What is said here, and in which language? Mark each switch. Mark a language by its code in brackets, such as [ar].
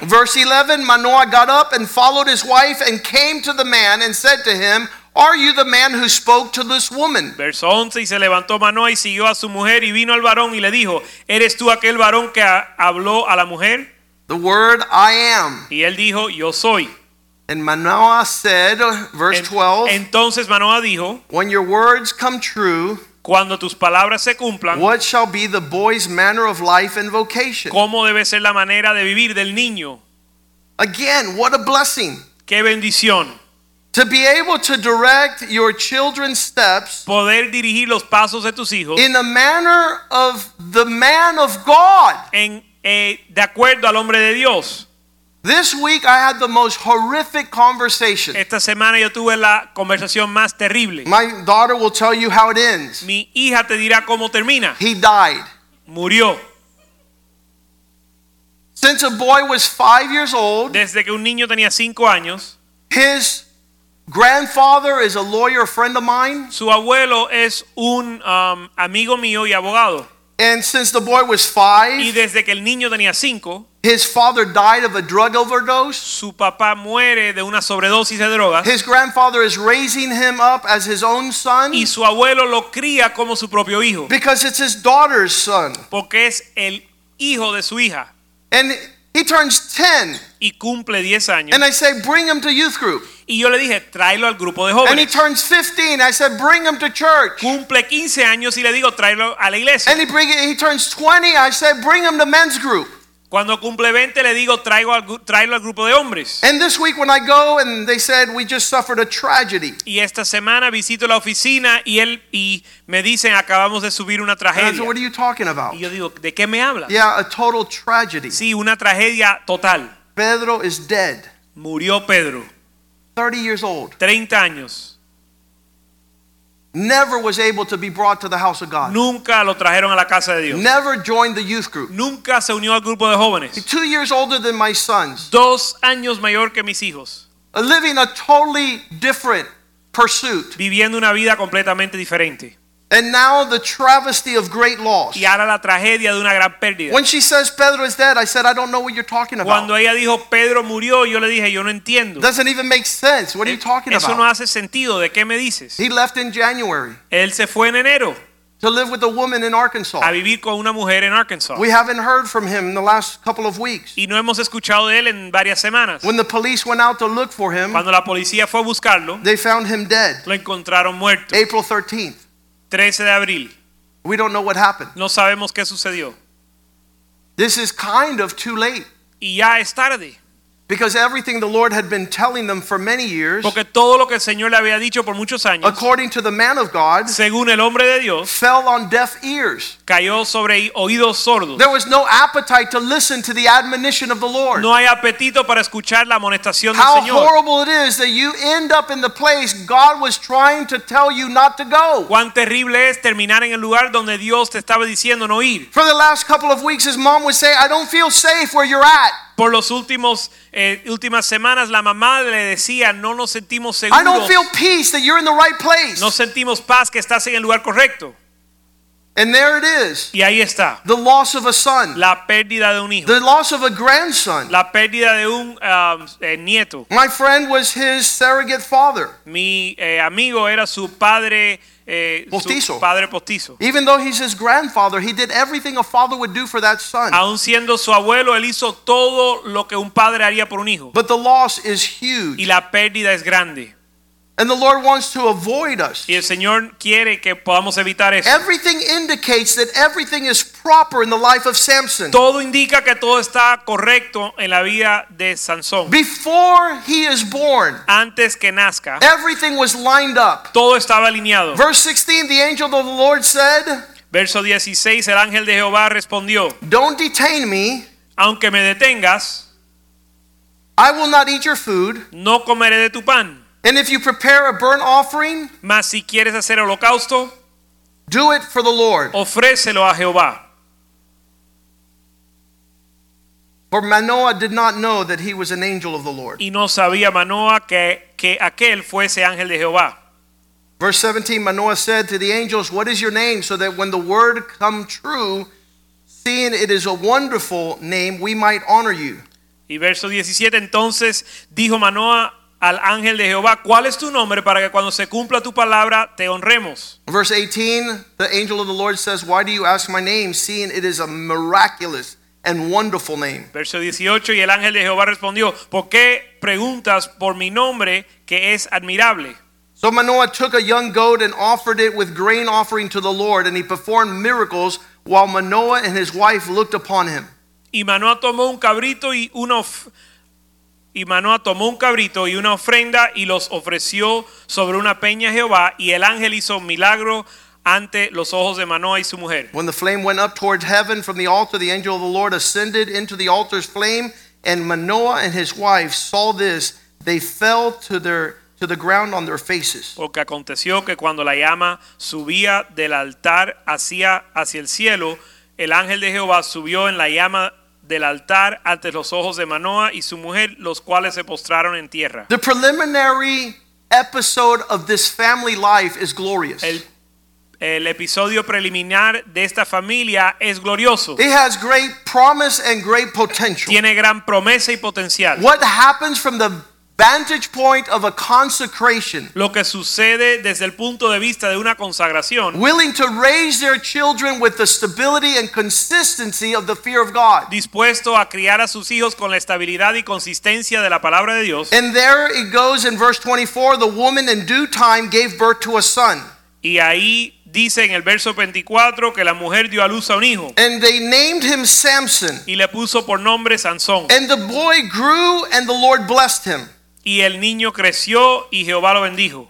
[en] Verse 11, Manoah got up and followed his wife and came to the man and said to him, "Are you the man who spoke to this woman?" [es] Verso 11, y se levantó Manoah y siguió a su mujer y vino al varón y le dijo, "¿Eres tú aquel varón que habló a la mujer?" [en] The word, "I am." [es] Y él dijo, "Yo soy." [en] And Manoah said, verse 12, [es] entonces Manoah dijo, [en] "When your words come true, [es] cuando tus palabras se cumplan, [en] what shall be the boy's manner of life and vocation?" [es] ¿Cómo debe ser la manera de vivir del niño? [en] Again, what a blessing. [es] ¡Qué bendición! [en] To be able to direct your children's steps, [es] poder dirigir los pasos de tus hijos, [en] in the manner of the man of God, [es] de acuerdo al hombre de Dios. [en] This week I had the most horrific conversation. [es] Esta semana yo tuve la conversación más terrible. [en] My daughter will tell you how it ends. [es] Mi hija te dirá cómo termina. [en] He died. [es] Murió. [en] Since a boy was 5 years old, [es] desde que un niño tenía 5 años, [en] his grandfather is a lawyer, a friend of mine. [es] Su abuelo es un amigo mío y abogado. [en] And since the boy was 5, [es] y desde que el niño tenía 5, [en] his father died of a drug overdose. [es] Su papá muere de una sobredosis de drogas. [en] His grandfather is raising him up as his own son. [es] Y su abuelo lo cría como su propio hijo. [en] Because it's his daughter's son. [es] Porque es el hijo de su hija. [en] And He turns 10. [es] Y cumple 10 años. [en] And I say, bring him to youth group. [es] Y yo le dije, tráelo al grupo de jóvenes. [en] And he turns 15. I said, bring him to church. [es] Cumple 15 años y le digo, tráelo a la iglesia. [en] And he turns 20. I said, bring him to men's group. [es] Cuando cumple 20 le digo, tráelo al grupo de hombres. [en] And this week when I go and they said we just suffered a tragedy. [es] Y esta semana visito la oficina y él y me dicen acabamos de subir una tragedia. [en] I said, what are you talking about? [es] Y yo digo, ¿de qué me hablas? [en] Yeah, a total tragedy. [es] Sí, una tragedia total. [en] Pedro is dead. [es] Murió Pedro. [en] 30 years old. [es] 30 años. [en] Never was able to be brought to the house of God. [es] Nunca lo trajeron a la casa de Dios. [en] Never joined the youth group. [es] Nunca se unió al grupo de jóvenes. [en] 2 years older than my sons. [es] 2 años mayor que mis hijos. [en] Living a totally different pursuit. [es] Viviendo una vida completamente diferente. [en] And now the travesty of great loss. [es] Y ahora la tragedia de una gran pérdida. [en] When she says Pedro is dead, I said I don't know what you're talking about. [es] Cuando ella dijo Pedro murió, yo le dije yo no entiendo. [en] Doesn't even make sense. What are you talking about? [es] Eso no hace sentido. ¿De qué me dices? [en] He left in January. [es] Él se fue en enero. [en] To live with a woman in Arkansas. [es] A vivir con una mujer en Arkansas. [en] We haven't heard from him in the last couple of weeks. [es] Y no hemos escuchado de él en varias semanas. [en] When the police went out to look for him. [es] Cuando la policía fue a buscarlo. [en] They found him dead. [es] Lo encontraron muerto. [en] April 13th. [es] 13 de abril. [en] We don't know what happened. [es] No sabemos qué sucedió. [en] This is kind of too late. [es] Y ya es tarde. [en] Because everything the Lord had been telling them for many years. [es] Porque todo lo que el Señor le había dicho por muchos años. [en] According to the man of God. [es] Según el hombre de Dios. [en] Fell on deaf ears. [es] Cayó sobre oídos sordos. [en] There was no appetite to listen to the admonition of the Lord. [es] No hay apetito para escuchar la amonestación del Señor. [en] How horrible it is that you end up in the place God was trying to tell you not to go. [es] Cuán terrible es terminar en el lugar donde Dios te estaba diciendo no ir. [en] For the last couple of weeks his mom would say, I don't feel safe where you're at. [es] Por los últimos últimas semanas la mamá le decía no nos sentimos seguros. [en] I don't feel peace that you're in the right place. [es] No sentimos paz que estás en el lugar correcto. [en] And there it is. [es] Y ahí está. [en] The loss of a son. [es] La pérdida de un hijo. [en] The loss of a grandson. [es] La pérdida de un nieto. [en] My friend was his surrogate father. [es] Mi amigo era su padre. Postizo. Su padre postizo. [en] Even though he's his grandfather, he did everything a father would do for that son. [es] Aun siendo su abuelo, él hizo todo lo que un padre haría por un hijo. [en] But the loss is huge. [es] Y la pérdida es grande. [en] And the Lord wants to avoid us. [es] Y el Señor quiere que podamos evitar eso. [en] Everything indicates that everything is proper in the life of Samson. [es] Todo indica que todo está correcto en la vida de Sansón. [en] Before he is born. [es] Antes que nazca. [en] Everything was lined up. [es] Todo estaba alineado. [en] Verse 16, the angel of the Lord said. [es] Verso 16, el ángel de Jehová respondió. [en] Don't detain me. [es] Aunque me detengas. [en] I will not eat your food. [es] No comeré de tu pan. [en] And if you prepare a burnt offering, [es] mas si quieres hacer holocausto, [en] do it for the Lord. [es] Ofrécelo a Jehová. [en] For Manoah did not know that he was an angel of the Lord. [es] Y no sabía Manoah que aquel fuese ángel de Jehová. [en] Verse 17, Manoah said to the angels, "What is your name, so that when the word come true, seeing it is a wonderful name, we might honor you?" [es] Y verso 17, entonces dijo Manoah al ángel de Jehová, ¿cuál es tu nombre para que cuando se cumpla tu palabra te honremos? [en] Verse 18, the angel of the Lord says, why do you ask my name, seeing it is a miraculous and wonderful name? [es] Verso 18, y el ángel de Jehová respondió, ¿por qué preguntas por mi nombre que es admirable? [en] So Manoah took a young goat and offered it with grain offering to the Lord, and he performed miracles while Manoah and his wife looked upon him. [es] Y Manoah tomó un cabrito y una Y Manoah tomó un cabrito y una ofrenda y los ofreció sobre una peña a Jehová, y el ángel hizo milagro ante los ojos de Manoah y su mujer. [en] When the flame went up towards heaven from the altar, the angel of the Lord ascended into the altar's flame, and Manoah and his wife saw this, they fell to the ground on their faces. [es] Porque aconteció que cuando la llama subía del altar hacia el cielo, el ángel de Jehová subió en la llama del altar ante los ojos de Manoah y su mujer, los cuales se postraron en tierra. [en] The preliminary episode of this family life is glorious. [es] El episodio preliminar de esta familia es glorioso. [en] It has great promise and great potential. [es] Tiene gran promesa y potencial. [en] What happens from the vantage point of a consecration, [es] lo que sucede desde el punto de vista de una consagración, [en] willing to raise their children with the stability and consistency of the fear of God, [es] dispuesto a criar a sus hijos con la estabilidad y consistencia de la palabra de Dios. [en] And there it goes in verse 24, the woman in due time gave birth to a son. [es] Y ahí dice en el verso 24 que la mujer dio a luz a un hijo. [en] And they named him Samson. [es] Y le puso por nombre Sansón. [en] And the boy grew and the Lord blessed him. [es] Y el niño creció y Jehová lo bendijo.